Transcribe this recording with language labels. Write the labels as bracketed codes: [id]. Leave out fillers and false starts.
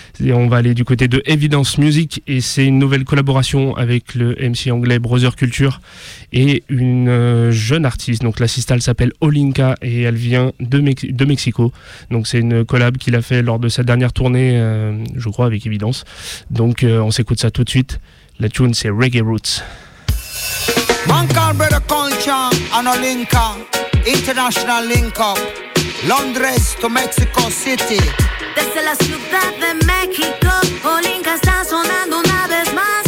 [fr] Et on va aller du côté de Evidence Music. Et c'est une nouvelle collaboration avec le MC anglais Brother Culture et une jeune artiste. Donc la Sistal s'appelle Olinka et elle vient de Mexico. Donc c'est une collab qu'il a fait lors de sa dernière tournée, je crois, avec Evidence. Donc on s'écoute ça tout de suite. La tune, c'est Reggae Roots. [en] Man called Brother Culture and Olinka, international link up. Londres to Mexico City. [es] Desde la ciudad de México, Olinka está sonando una vez más.